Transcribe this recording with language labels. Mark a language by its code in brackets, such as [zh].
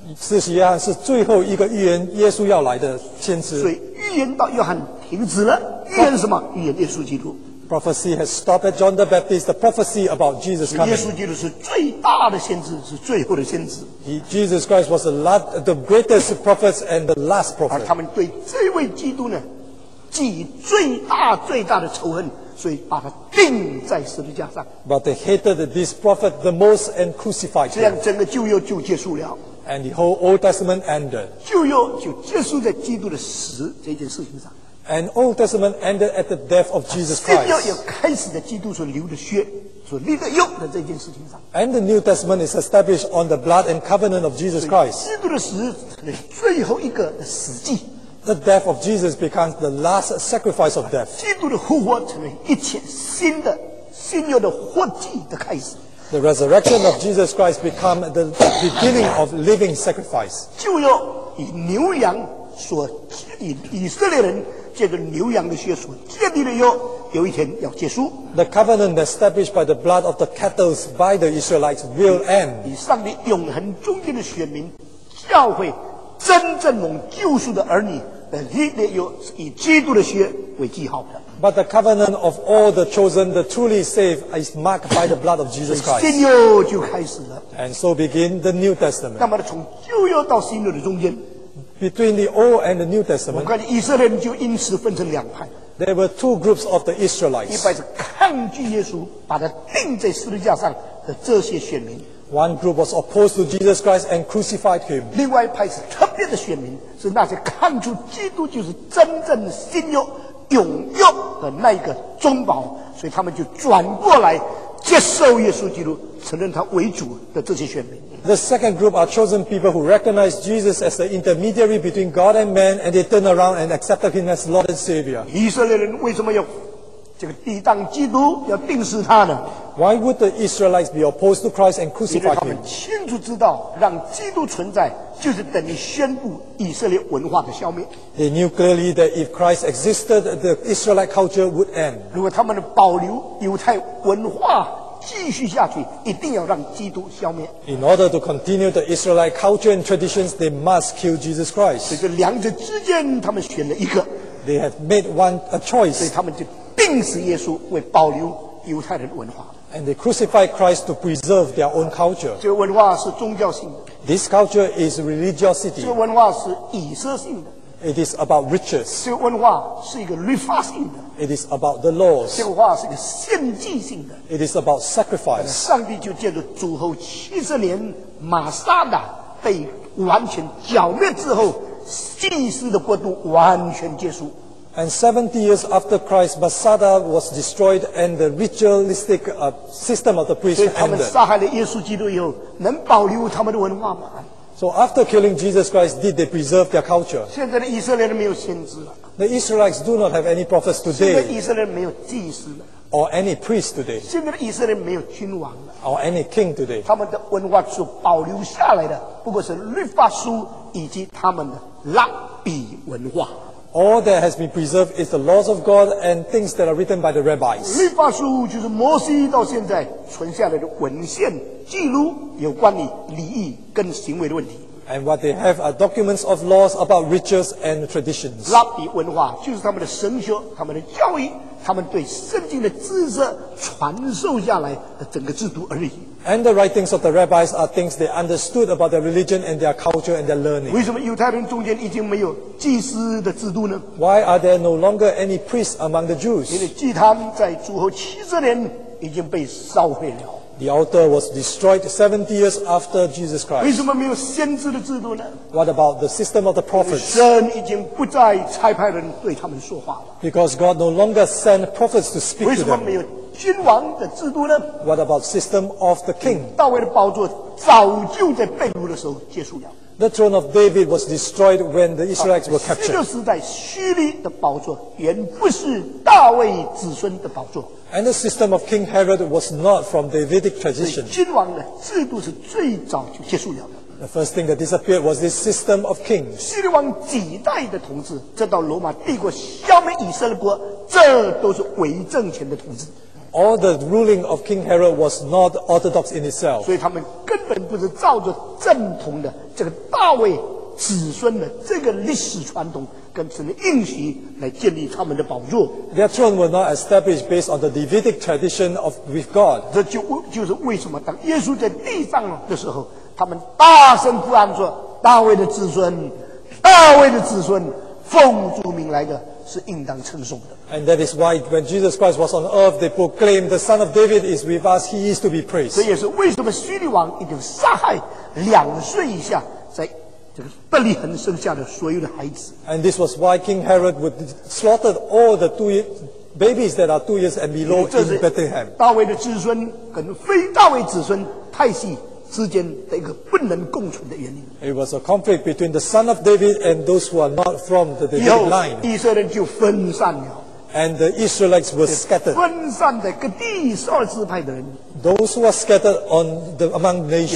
[zh] 是约翰是最后一个预言耶稣要来的先知。所以预言到约翰停止了，预言什么？预言耶稣基督。 [en] Prophecy has stopped at John the Baptist. The prophecy about Jesus coming. [zh] 耶稣基督是最大的先知，是最后的先知。 [en] Jesus Christ was the greatest prophet and the last prophet. [zh] 而他们对这位基督呢，寄以最大最大的仇恨，所以把他钉在十字架上。 [en] But they hated this prophet the most and crucified him. [zh] 这样整个旧约就结束了。 [en] And the whole Old Testament ended. [zh] 旧约就结束在基督的死这件事情上。 [en] And Old Testament ended at the death of Jesus Christ. [zh] 新约也开始在基督所流的血、所立的约的这件事情上。 [en] And the New Testament is established on the blood and covenant of Jesus Christ. [zh] 基督的死是最后一个的死祭。 [en] The death of Jesus becomes the last sacrifice of death. [zh] 基督的复活成了一切新的新约的活祭的开始。 [en] The resurrection of Jesus Christ becomes the beginning of living sacrifice. [zh] 旧约以牛羊所以色列人借着牛羊的血所建立的约，有一天要结束。 [en] The covenant established by the blood of the cattle by the Israelites will end. [zh] 以上帝永恒中间的选民，教会真正蒙救赎的儿女的立的约，以基督的血为记号的。 [en] But the covenant of all the chosen, the truly saved, is marked by the blood of Jesus Christ. [zh] 新约就开始了。 [en] And so begin the New Testament. [zh] 那么从旧约到新约的中间。 [en] Between the Old and the New Testament, [zh] 我看以色列人就因此分成两派。 [en] There were two groups of the Israelites. [zh] 一派是抗拒耶稣，把他钉在十字架上的这些选民。 [en] One group was opposed to Jesus Christ and crucified him. [zh] 另外一派是特别的选民，是那些看出基督就是真正的新约、永约的那个中保，所以他们就转过来接受耶稣基督，承认他为主的这些选民。 [en] The second group are chosen people who recognize Jesus as the intermediary between God and man, and they turn around and accept him as Lord and Savior. [zh] 以色列人为什么要这个抵挡基督，要钉死他呢？ [en] Why would the Israelites be opposed to Christ and crucify him? [zh] 因为他们清楚知道，让基督存在就是等于宣布以色列文化的消灭。 [en] They knew clearly that if Christ existed, the Israelite culture would end. [zh] 如果他们保留犹太文化。继续下去，一定要让基督消灭。 [en] In order to continue the Israelite culture and traditions, they must kill Jesus Christ. [zh] 所以这两者之间，他们选了一个。 [en] They have made one a choice. [zh] 所以他们就钉死耶稣，为保留犹太人的文化。 [en] And they crucified Christ to preserve their own culture. [zh] 这个文化是宗教性的。 [en] This culture is religiosity. [zh] 这个文化是仪式性的。 [en] It is about riches. [zh] 这个文化是一个律法性的。 [en] It is about the laws. [zh] 这个文化是一个献祭性的。 [en] It is about sacrifice. [zh] 上帝就借着主后七十年玛撒的被完全剿灭之后，祭司的国度完全结束。 [en] And 70 years after Christ, Masada was destroyed and the ritualistic system of the priest ended. [zh] 所以他们杀害了耶稣基督以后，能保留他们的文化吗？ [en] So after killing Jesus Christ, did they preserve their culture? [zh] 现在的以色列人没有先知了。 [en] The Israelites do not have any prophets today. [zh] 现在以色列人没有祭司了。 [en] Or any priest today. [zh] 现在的以色列人没有君王了。 [en] Or any king today. [zh] 他们的文化所保留下来的不过是律法书以及他们的拉比文化。 [en] All that has been preserved is the laws of God and things that are written by the rabbis. [zh] 律法书就是摩西到现在存下来的文献，记录有关于礼仪跟行为的问题。 [en] And what they have are documents of laws about rituals and traditions. [zh] 拉比文化就是他们的神学、他们的教义、他们对圣经的知识传授下来的整个制度而已。 [en] And the writings of the rabbis are things they understood about their religion and their culture and their learning. [zh] 为什么犹太人中间已经没有祭司的制度呢？ [en] Why are there no longer any priests among the Jews? [zh] 因为祭坛在主后七十年已经被烧毁了。 [en] The altar was destroyed 70 years after Jesus Christ. [zh] 为什么没有先知的制度呢？ [en] What about the system of the prophets? [zh] 神已经不再差派人对他们说话了。 [en] Because God no longer sent prophets to speak to them. [zh] 为什么没有君王的制度呢？ [en] What about the system of the king? [zh] 大卫的宝座早就在被掳的时候结束了。 [en] The throne of David was destroyed when the Israelites were captured. [zh] 新的时代，虚拟的宝座原不是大卫子孙的宝座。 [en] And the system of King Herod was not from Davidic tradition. [zh] 君王的制度是最早就结束了的。 [en] The first thing that disappeared was this system of kings. [zh] 希律王几代的统治，直到罗马帝国消灭以色列国，这都是伪政权的统治。 [en] All the ruling of King Herod was not orthodox in itself. [zh] 所以他们根本不是照着正统的这个大卫子孙的这个历史传统跟神的应许来建立他们的宝座。 [en] Their throne was not established based on the Davidic tradition of with God. [zh] 这就是为什么当耶稣在地上的时候，他们大声呼喊说：“大卫的子孙，大卫的子孙，奉主名来的。” 是应当称颂的。 [en] And that is why when Jesus Christ was on earth, they proclaimed the Son of David is with us, he is to be praised. [zh] 这也是为什么叙利王已经杀害两岁以下在这个伯利恒生下的所有的孩子。 [en] And this was why King Herod would slaughter all the two babies that are 2 years and below in Bethlehem. [zh] 大卫的子孙跟非大卫子孙太细之间的一个不能共存的原因。 [en] It was a conflict between the son of David and those who are not from the Davidic line. [zh] 以色列人就分散了。 [en] And the Israelites were scattered. [zh] 分散在各地十二支派的人。 [en] Those who are scattered on the among nations.